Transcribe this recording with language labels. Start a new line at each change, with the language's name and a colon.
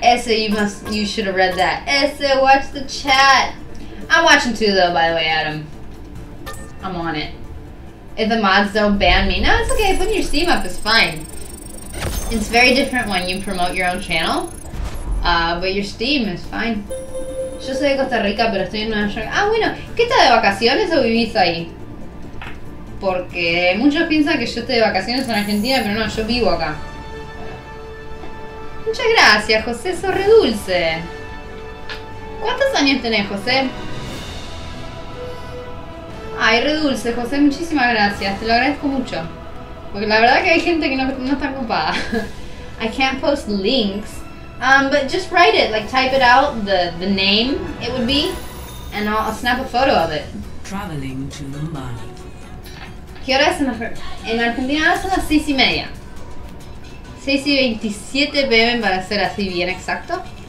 English: Essa, you should have read that. Essa, watch the chat. I'm watching too, though, by the way, Adam. I'm on it. If the mods don't ban me, no, it's okay. Putting your Steam up is fine. It's very different when you promote your own channel. But your Steam is fine.
Spanish: Yo soy de Costa Rica, pero estoy en Nueva York. Ah, bueno. ¿Qué tal de vacaciones o vivís ahí? Porque muchos piensan que yo estoy de vacaciones en Argentina, pero no, yo vivo acá. Muchas gracias, José, sos re dulce. ¿Cuántos años tenés, José? Ay, re dulce, José, muchísimas gracias, te lo agradezco mucho. Porque la verdad que hay gente que no está ocupada.
English: I can't post links. But just write it, like type it out, the name it would be, and I'll snap a photo of it. Traveling to Mumbai.
Spanish: ¿Qué hora es en Argentina? Ahora son las 6 y media. 6 y 27 pm para ser así bien exacto.